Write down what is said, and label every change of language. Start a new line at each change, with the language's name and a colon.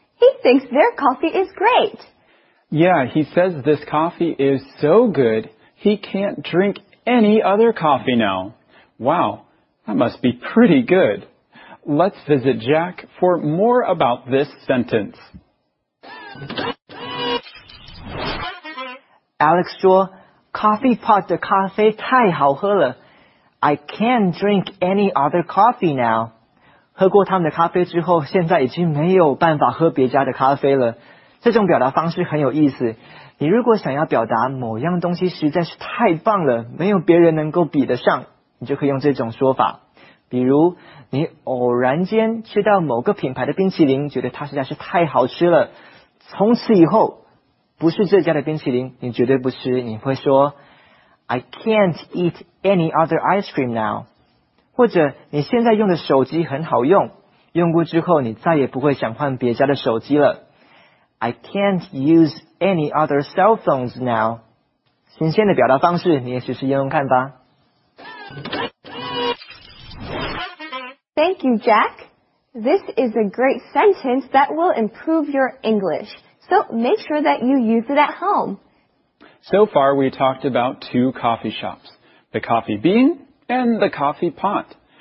English: He thinks their coffee is great. Yeah, he says this coffee is so good, he can't drink any other coffee now. Wow, that must be pretty good. Let's visit Jack for more about this sentence.
Chinese: Alex 说, coffee pot 的咖啡太好喝了。
English: I can't drink any other coffee now.
Chinese: 喝过他们的咖啡之后，现在已经没有办法喝别家的咖啡了。这种表达方式很有意思。你如果想要表达某样东西实在是太棒了，没有别人能够比得上，你就可以用这种说法。比如，你偶然间吃到某个品牌的冰淇淋，觉得它实在是太好吃了。从此以后，不是这家的冰淇淋，你绝对不吃。你会说
English: I can't eat any other ice cream now.
Chinese: 或者你现在用的手机很好用，用过之后你再也不会想换别家的手机了。
English: I can't use any other cell phones now.
Chinese: 新鲜的表达方式，你也试试用用看吧。
English: Thank you, Jack. This is a great sentence that will improve your English. So make sure that you use it at home. So far, we talked about two coffee shops, the coffee bean and the coffee pot.